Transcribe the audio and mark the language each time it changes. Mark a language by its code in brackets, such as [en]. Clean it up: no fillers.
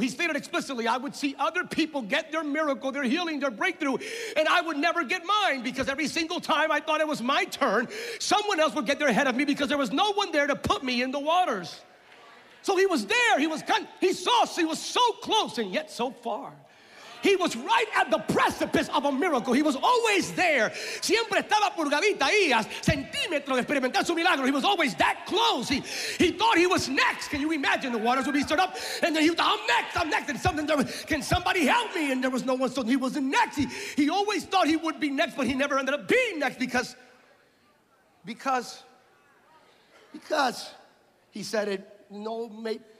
[en] He stated explicitly, I would see other people get their miracle, their healing, their breakthrough, and I would never get mine because every single time I thought it was my turn, someone else would get there ahead of me because there was no one there to put me in the waters. So he was there. He was so close and yet so far. He was right at the precipice of a miracle. He was always there. [es] Siempre estaba purgadita ahí, a centímetro de experimentar su milagro. [en] He was always that close. He thought he was next. Can you imagine? The waters would be stirred up, and then he thought, I'm next. And something there was, can somebody help me? And there was no one, so he was next. He always thought he would be next, but he never ended up being next because he said it, no mate.